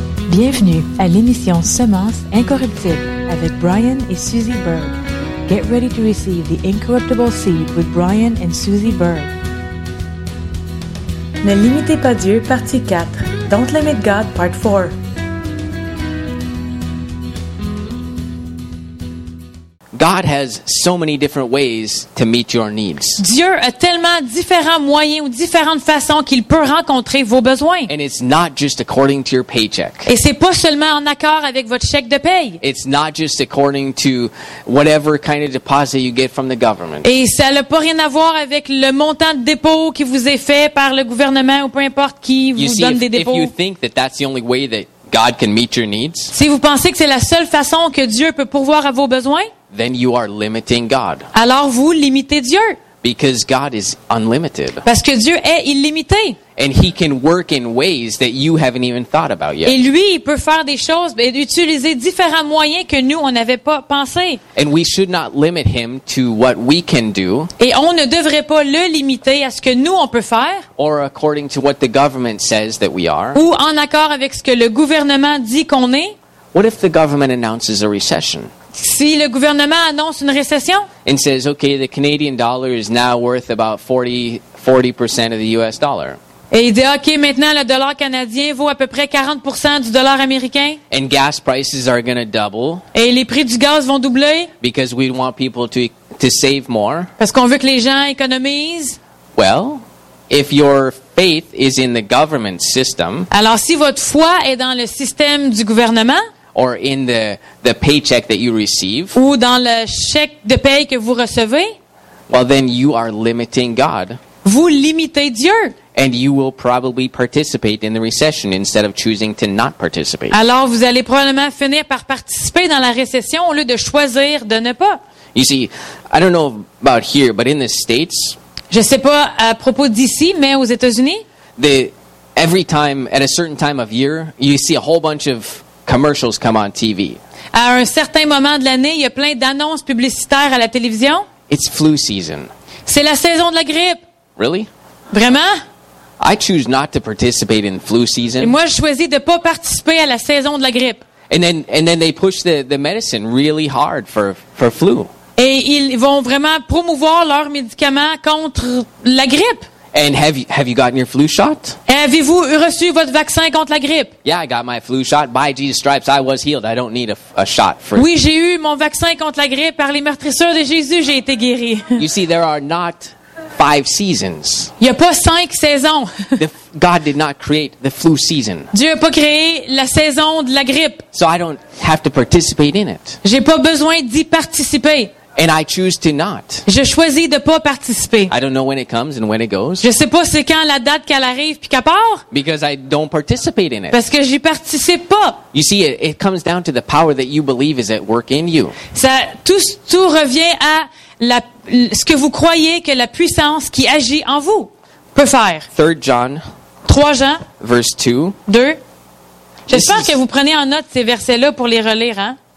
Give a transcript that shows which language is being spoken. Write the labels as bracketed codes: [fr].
[fr] Bienvenue à l'émission Semence incorruptible avec Brian et Suzy Berg. [en] Get ready to receive the incorruptible seed with Brian and Suzy Berg. [fr] Ne limitez pas Dieu, partie 4. [en] Don't limit God, part 4. God has so many different ways to meet your needs. [fr] Dieu a tellement différents moyens ou différentes façons qu'il peut rencontrer vos besoins. [en] And it's not just according to your paycheck. [fr] Et c'est pas seulement en accord avec votre chèque de paye. [en] It's not just according to whatever kind of deposit you get from the government. [fr] Et ça n'a pas rien à voir avec le montant de dépôt qui vous est fait par le gouvernement ou peu importe qui vous donne des dépôts. [en] If you think that that's the only way that God can meet your needs. [fr] Si vous pensez que c'est la seule façon que Dieu peut pourvoir à vos besoins. [en] Then you are limiting God. [fr] Alors vous limitez Dieu. [en] Because God is unlimited. [fr] Parce que Dieu est illimité. [en] And he can work in ways that you haven't even thought about yet. [fr] Et lui, il peut faire des choses et utiliser différents moyens que nous on n'avait pas pensé. [en] And we should not limit him to what we can do. [fr] Et on ne devrait pas le limiter à ce que nous on peut faire. [en] Or according to what the government says that we are. [fr] Ou en accord avec ce que le gouvernement dit qu'on est. [en] What if the government announces a recession? [fr] Si le gouvernement annonce une récession, [en] and says, okay, the Canadian dollar is now worth about 40% of the US dollar. [fr] Et il dit, okay, maintenant le dollar canadien vaut à peu près 40% du dollar américain. [en] And gas prices are going to double. [fr] Et les prix du gaz vont doubler. [en] Because we want people to save more. [fr] Parce qu'on veut que les gens économisent. [en] Well, if your faith is in the government system. [fr] Alors si votre foi est dans le système du gouvernement. [en] Or in the paycheck that you receive. [fr] Ou dans le chèque de paye que vous recevez. [en] Well, then you are limiting God. [fr] Vous limitez Dieu. [en] And you will probably participate in the recession instead of choosing to not participate. [fr] Alors vous allez probablement finir par participer dans la récession au lieu de choisir de ne pas. [en] You see, I don't know about here, but in the States. [fr] Je sais pas à propos d'ici, mais aux États-Unis. [en] Every time, at a certain time of year, you see a whole bunch of commercials come on TV. [fr] À un certain moment de l'année, il y a plein d'annonces publicitaires à la télévision. [en] It's flu season. [fr] C'est la saison de la grippe. [en] Really? [fr] Vraiment? [en] I choose not to participate in flu season. [fr] Et moi, je choisis de pas participer à la saison de la grippe. [en] And then they push the medicine really hard for flu. [fr] Et ils vont vraiment promouvoir leurs médicaments contre la grippe. [en] And have you gotten your flu shot? [fr] Avez-vous reçu votre vaccin contre la grippe? [en] Yeah, I got my flu shot. By Jesus' stripes, I was healed. I don't need a shot for. [fr] Oui, j'ai eu mon vaccin contre la grippe par les meurtrissures de Jésus. J'ai été guéri. [en] You see, there are not five seasons. [fr] Il y a pas cinq saisons. [en] God did not create the flu season. [fr] Dieu a pas créé la saison de la grippe. [en] So I don't have to participate in it. [fr] J'ai pas besoin d'y participer. [en] And I choose to not. [fr] Je choisis de pas participer. [en] I don't know when it comes and when it goes. [fr] Je sais pas c'est quand la date qu'elle arrive puis qu'elle part. [en] Because I don't participate in it. [fr] Parce que j'y participe pas. [en] You see, it comes down to the power that you believe is at work in you. [fr] Ça tout revient à ce que vous croyez que la puissance qui agit en vous peut faire. [en] 3 John. [fr] 3 Jean. [en] Verse 2. [fr] J'espère que vous prenez en note ces versets-là pour les relire, hein.